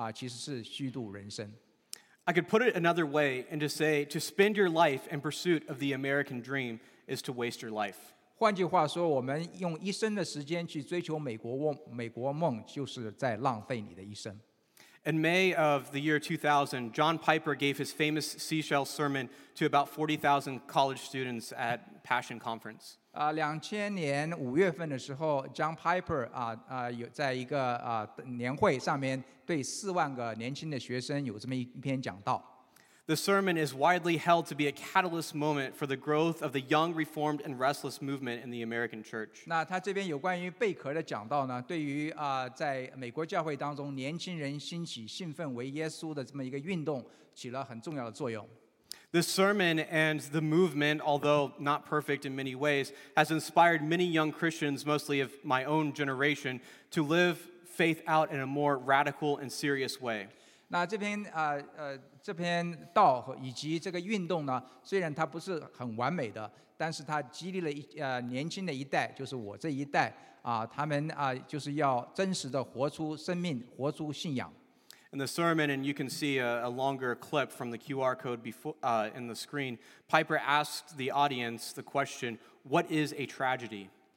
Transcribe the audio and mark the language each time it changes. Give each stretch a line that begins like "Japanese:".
Chinese: 我把今天经文我自己的总结再说一遍，就是人生的这个安逸，特别是钱财上的安逸是危险的。我们终其一生去追求这样的安逸，其实是虚度人生。
English: I could put it another way and to say to spend your life in pursuit of the American dream is to waste your life.
Chinese: 换句话说，我们用一生的时间去追求美国梦，就是在浪费你的一生。
English: In May of the year 2000, John Piper gave his famous seashell sermon to about 40,000 college students at Passion Conference.
Chinese: 2000年5月份的时候，John Piper在一个年会上面对40,000个年轻的学生有这么一篇讲道。
English: The sermon is widely held to be a catalyst moment for the growth of the young Reformed and Restless movement in the American church.
Chinese: 那他这边有关于贝壳的讲道呢，对于在美国教会当中年轻人兴起信奉为耶稣的这么一个运动起了很重要的作用。
English: This sermon and the movement, although not perfect in many ways, has inspired many young Christians, mostly of my own generation, to live faith out in a more radical and serious way.
Chinese: 那这篇道以及这个运动呢，虽然它不是很完美的，但是它激励了年轻的一代，就是我这一代，他们就是要真实的活出生命，活出信仰。
English: In the sermon, and you can see a longer clip from the QR code before in the screen, Piper asked the audience the question, what is a tragedy?